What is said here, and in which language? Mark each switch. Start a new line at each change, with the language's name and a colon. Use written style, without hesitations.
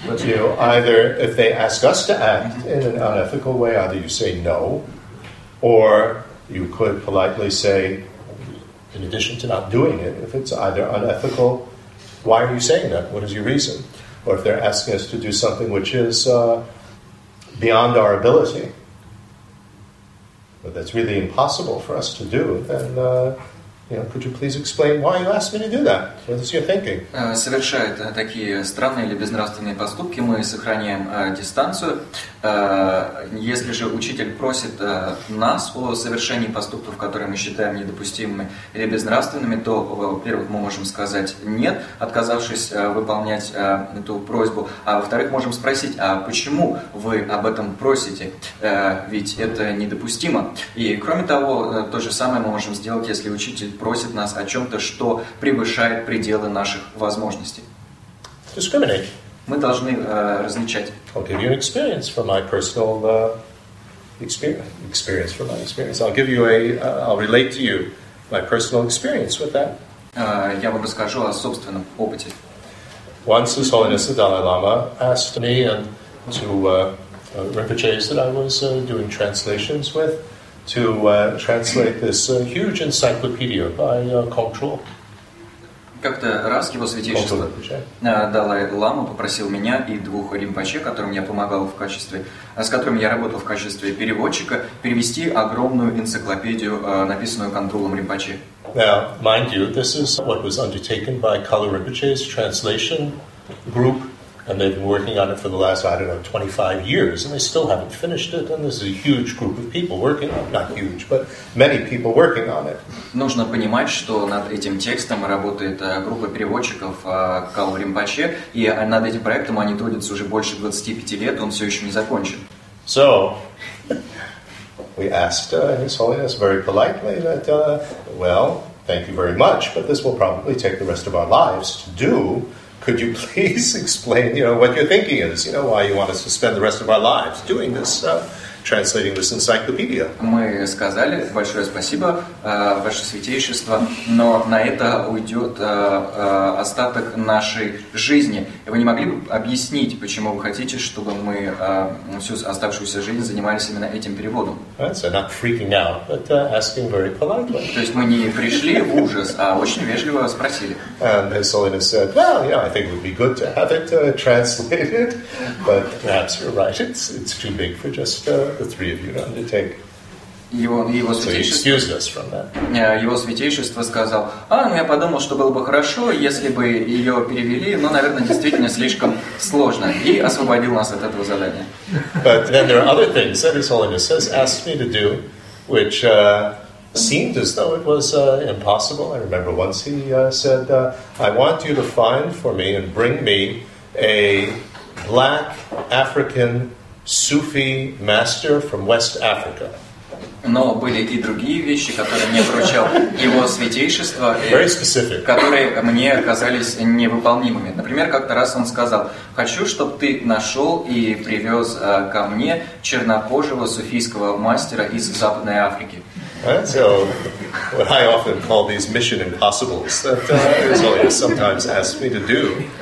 English: But you know, either if they ask us to act in an unethical way, either you say no, or you could politely say, in addition to not doing it, if it's either unethical, why are you saying that? What is your reason? Or if they're asking us to do something which is beyond our ability, but that's really impossible for us to do, then... could you please explain why you asked me to do that? What is your thinking?
Russian: Совершают такие странные или безнравственные поступки, мы сохраняем дистанцию. Если же учитель просит нас о совершении поступков, которые мы считаем недопустимыми или безнравственными, то, во-первых, мы можем сказать «нет», отказавшись выполнять эту просьбу. А во-вторых, можем спросить, а почему вы об этом просите? Ведь это недопустимо. И, кроме того, то же самое мы можем сделать, если учитель просит нас о чем-то, что превышает пределы наших возможностей.
English: Discriminate.
Russian: Мы должны различать.
English: I'll give you an experience from my personal experience. From my experience, I'll give you a. I'll relate to you my personal experience with that.
Russian: Я вам расскажу о собственном опыте.
English: Once His Holiness the Dalai Lama asked me and to Rinpoche's that I was doing translations with to translate this huge encyclopedia by cultural.
Russian: Как-то раз его святейшество Далай-лама попросил меня и двух римпаче, которым я помогал в качестве, с которыми я работал в качестве переводчика, перевести огромную энциклопедию, написанную контролом римпаче.
English: Now, mind you, this is what was undertaken by Kala Rinpoche's translation group, and they've been working on it for the last, I don't know, 25 years, and they still haven't finished it, and this is a huge group of people working on it. Not huge, but many people working on it.
Russian: Нужно понимать, что над этим текстом работает группа переводчиков Кал Римпаче, и над этим проектом они трудятся уже больше 25 лет, он все еще не закончен.
English: So, we asked His Holiness very politely that, well, thank you very much, but this will probably take the rest of our lives to do. Could you please explain, you know, what your thinking is? You know, why you want us to spend the rest of our lives doing this, translating this encyclopedia?
Russian: Мы сказали большое спасибо, ваше святейшество, но на это уйдет остаток нашей жизни. Вы не могли бы объяснить, почему вы хотите, чтобы мы всю оставшуюся жизнь занимались именно этим переводом?
English: So not freaking out, but asking very politely.
Russian: То есть мы не пришли в ужас, а очень вежливо спросили.
English: And His Holiness said, well, yeah, I think it would be good to have it translated, but perhaps you're right, it's too big for just the three of you to undertake.
Russian: Его святейшество сказал, я подумал, что было бы хорошо, если бы ее перевели, но, наверное, действительно слишком сложно, и освободил нас от этого задания.
English: But then there are other things that His Holiness has asked me to do, which seemed as though it was impossible. I remember once he said, I want you to find for me and bring me a black African Sufi master from West Africa.
Russian: Но были и другие вещи, которые мне поручал его святейшество, которые мне казались невыполнимыми. Например, как-то раз он сказал, хочу, чтобы ты нашел и привез ко мне чернокожего суфийского мастера из Западной Африки.
English: Right? So what I often call these mission impossibles that he sometimes asks me to do.